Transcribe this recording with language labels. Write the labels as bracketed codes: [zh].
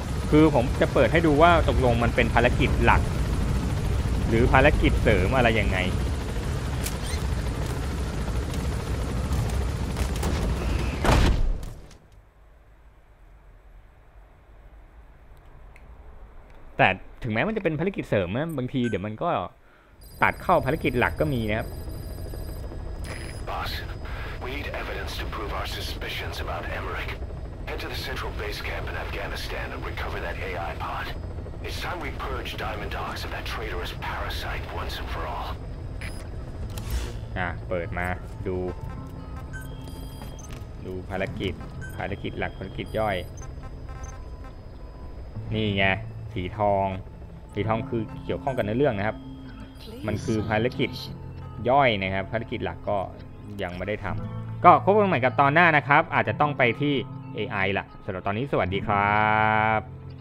[th] คือผมจะเปิดให้ดูว่าตกลงมันเป็นภารกิจหลักหรือภารกิจเสริมอะไรยังไงแต่ถึงแม้มันจะเป็นภารกิจเสริมนะบางทีเดี๋ยวมันก็ตัดเข้าภารกิจหลักก็มีนะครับ [en] Boss, we need evidence to prove our suspicions about Emmerich. Head to the central base camp in Afghanistan and recover that AI pod. It's time we purge Diamond Dogs of that traitorous parasite once and for all. [th] เปิดมาดูภารกิจหลักภารกิจย่อยนี่ไงสีทองคือเกี่ยวข้องกันในเรื่องนะครับมันคือภารกิจย่อยนะครับภารกิจหลักก็ยังไม่ได้ทำก็พบกันใหม่กับตอนหน้านะครับอาจจะต้องไปที่ AI ล่ะสำหรับตอนนี้สวัสดีครับ